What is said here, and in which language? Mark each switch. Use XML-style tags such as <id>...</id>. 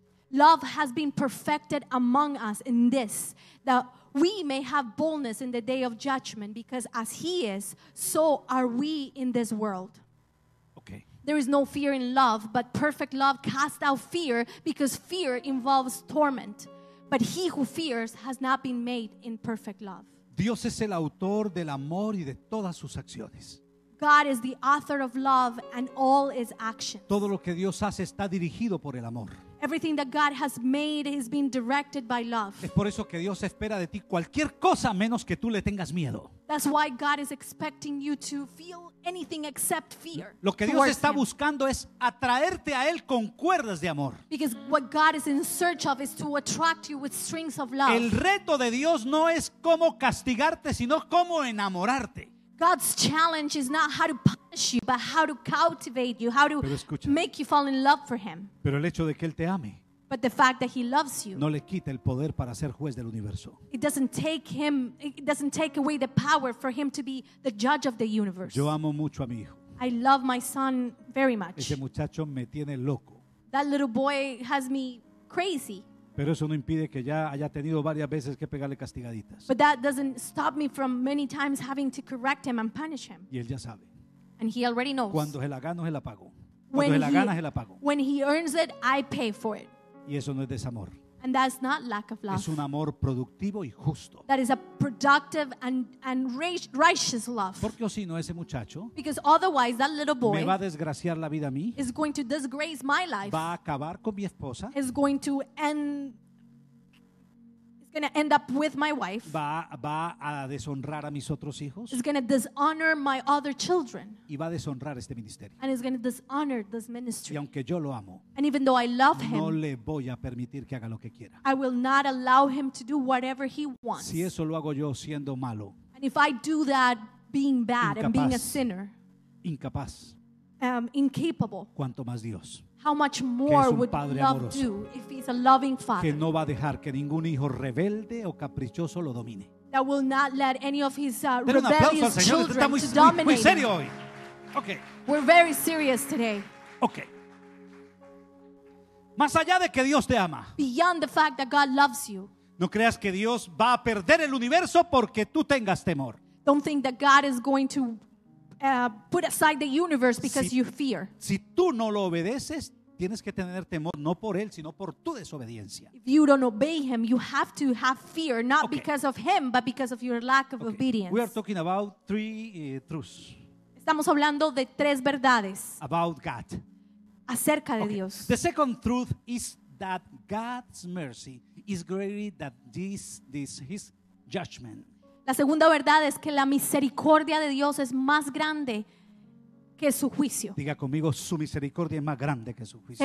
<en>Love has been perfected among us in this, that we may have boldness in the day of judgment, because as he is, so are we in this world. Okay. There is no fear in love, but perfect love casts out fear, because fear involves torment. But he who fears has not been made in perfect love.</en> <es>Dios es el autor del amor y de todas sus acciones.</es> <en>God is the author of love and all his actions.</en> <es>Todo lo que Dios hace está dirigido por el amor.</es> <en>Everything that God has made has been directed by love.</en> <es>Es por eso que Dios espera de ti cualquier cosa menos que tú le tengas miedo.</es> <en>That's why God is expecting you to feel anything except fear.</en> <es>Lo que Dios está buscando es atraerte a él con cuerdas de amor.</es> <en>Because what God is in search of is to attract you with strings of love.</en> <es>El reto de Dios no es cómo castigarte, sino cómo enamorarte.</es> <en>God's challenge is not how to punish you, but how to cultivate you, how to make you fall in love for him.</en> <es>Pero el hecho de que él te ame,</es> <en>but the fact that he loves you,</en> <es>no le quita el poder para ser juez del universo.</es> <en>It doesn't take away the power for him to be the judge of the universe.</en> <es>Yo amo mucho a mi hijo.</es> <en>I love my son very much.</en> <es>Ese muchacho me tiene loco.</es> <en>That little boy has me crazy.</en> <es>Pero eso no impide que ya haya tenido varias veces que pegarle castigaditas.</es> <en>But that doesn't stop me from many times having to correct him and punish him.</en> <es>Y él ya sabe.</es> <en>And he already knows.</en> <es>Cuando se la gano, se la pago. Cuando se la gana, se la pago.</es> <en>When he earns it, I pay for it.</en> <es>Y eso no es desamor.</es> <en>And that's not lack of love.</en> <es>Es un amor productivo y justo.</es> <en>That is a productive and righteous love.</en> <es>Porque o si no, ese muchacho,</es> <en>because otherwise that little boy,</en> <es>me va a desgraciar la vida a mí,</es> <en>is going to disgrace my life,</en> <es>va a acabar con mi esposa,</es> <en>is going to end up with my wife,</en> <es>va a deshonrar a mis otros hijos,</es> <en>is going to dishonor my other children,</en> <es>y va a deshonrar este ministerio,</es> <en>and is going to dishonor this ministry.</en> <es>Y aunque yo lo amo,</es> <en>and even though I love him,</en> <es>no le voy a permitir que haga lo que quiera.</es> <en>I will not allow him to do whatever he wants.</en> <es>Si eso lo hago yo siendo malo,</es> <en>and if I do that being bad,</en> <es>incapaz,</es> <en>and being a sinner,</en> <es>incapaz,</es> <en>incapable,</en> <es>cuanto más Dios.</es> <en>How much more would love</en> <es>amoroso,</es> <en>do if he's a loving father?</en> <es>Que no va a dejar que ningún hijo rebelde o caprichoso lo domine.</es> <en>That will not let any of his rebellious children</en> <es>está muy,</es> <en>to dominate.</en> <es>Muy serio hoy. Okay.</es> <en>We're very serious today. Okay.</en> <es>Más allá de que Dios te ama.</es> <en>Beyond the fact that God loves you.</en> <es>No creas que Dios va a perder el universo porque tú tengas temor.</es> <en>Don't think that God is going to put aside the universe because you fear.</en> <es>Si tú no lo obedeces, tienes que tener temor no por él, sino por tu desobediencia.</es> <en>If you don't obey him, you have to have fear not okay. because of him, but because of your lack of okay. obedience. We are talking about three truths.</en> <es>Estamos hablando de tres verdades.</es> <en>About God.</en> <es>Acerca de Dios.</es> <en>The second truth is that God's mercy is greater than this his judgment.</en> <es>La segunda verdad es que la misericordia de Dios es más grande que su juicio. Diga conmigo, su misericordia es más grande que su juicio.</es>